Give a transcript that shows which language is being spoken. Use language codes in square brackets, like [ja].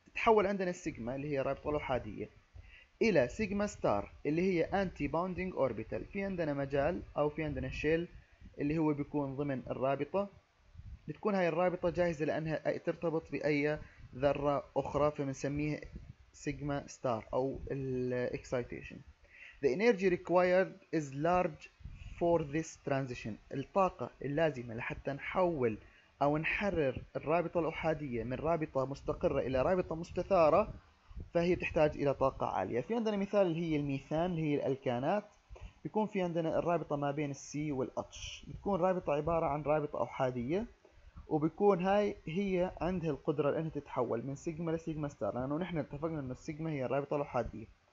[ar] تحول عندنا السيجما اللي هي رابطة الأحادية الى سيجما ستار اللي هي anti-bounding orbital. في عندنا مجال او في عندنا شيل اللي هو بيكون ضمن الرابطة، بتكون هاي الرابطة جاهزة لانها ترتبط باي ذرة اخرى، فبنسميها سيجما ستار او الاكسايتيشن. [en] The energy required is large for this transition. [ar] الطاقة اللازمة لحتى نحول أو نحرر الرابطة الأحادية من رابطة مستقرة إلى رابطة مستثارة فهي تحتاج إلى طاقة عالية. في عندنا مثال اللي هي الميثان اللي هي الألكانات، بيكون في عندنا الرابطة ما بين السي والأتش، بتكون رابطة عبارة عن رابطة أحادية، وبيكون هاي هي عندها القدرة لأنها تتحول من سيجما لسيجما ستار، لأنه نحن اتفقنا أن السيجما هي الرابطة الأحادية.